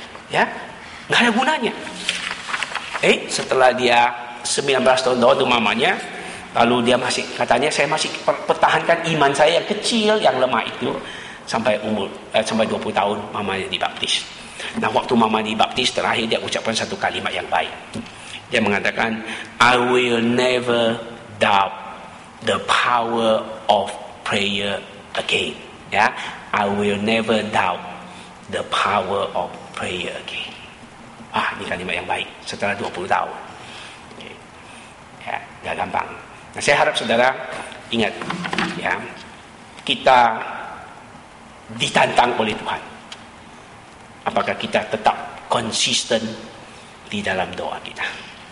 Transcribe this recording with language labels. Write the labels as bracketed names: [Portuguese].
[Indonesian] Ya, gak ada gunanya. Setelah dia 19 tahun doa untuk mamanya, lalu dia masih, katanya saya masih pertahankan iman saya yang kecil, yang lemah itu, sampai umur, sampai 20 tahun mamanya dibaptis. Nah, waktu mama dibaptis terakhir, dia ucapkan satu kalimat yang baik. Dia mengatakan, [English] I will never doubt the power of prayer again. Ya, yeah? I will never doubt the power of prayer again. [Indonesian] Ah, ini kalimat yang baik setelah 20 tahun. Okay. Ya, gak gampang. Nah, saya harap saudara ingat, ya, kita ditantang oleh Tuhan. Apakah kita tetap konsisten di dalam doa kita?